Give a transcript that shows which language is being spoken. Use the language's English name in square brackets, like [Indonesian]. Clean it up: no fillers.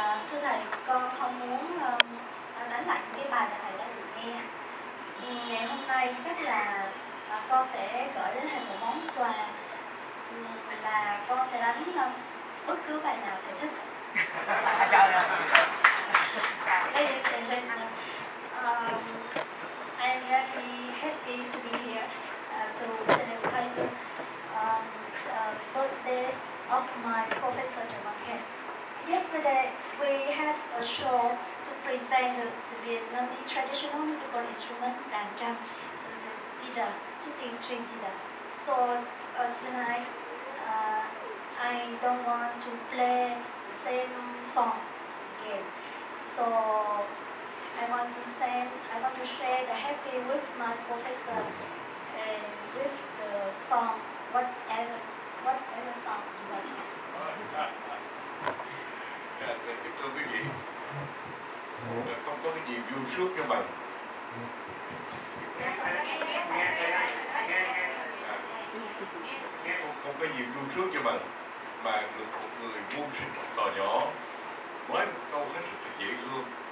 [Vietnamese] Thưa thầy, con không muốn đánh lại những cái bài mà thầy đã được nghe. Ngày hôm nay chắc là con sẽ gửi đến thầy một món quà, là con sẽ đánh bất cứ bài nào thầy thích. [English] Hey, I'm very happy to be here to celebrate the birthday of my professor Jamakhan. Yesterday we had a show to present the Vietnamese traditional musical instrument đàn trăm, zither, sitting string zither. So tonight I don't want to play the same song again. So I want to share the happy with my professor and with the song, whatever song you want. [Vietnamese] Thưa quý vị, không có cái gì vui sướng cho mình. Không có gì vui sướng cho mình mà được một người vô sinh học trò nhỏ nói một câu hết sức là dễ thương.